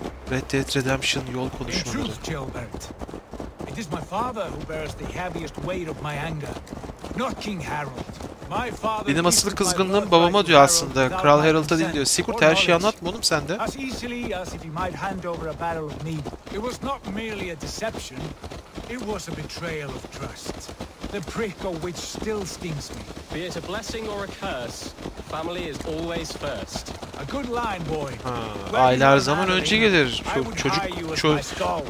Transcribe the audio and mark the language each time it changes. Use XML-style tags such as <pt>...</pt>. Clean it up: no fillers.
<tr>Red Dead Redemption yol konuşmaları.</tr> <en>Gilbert, it is my father who bears the heaviest weight of my anger, not King Harald. My father.</en> <tr>Benim asıl kızgınlığım babama diyor aslında. Kral Harald'a değil diyor. Sigurd her şeyi anlatma oğlum sen de.</tr> <en>As easily as if he might hand over a barrel of mead. It was not merely a deception. It was a betrayal of trust. The prick of which still stings me. Be it a blessing or a curse, family is always first. A good line, boy.</en> <tr>Ha, aile her zaman önce gelir. Çocuk.</tr>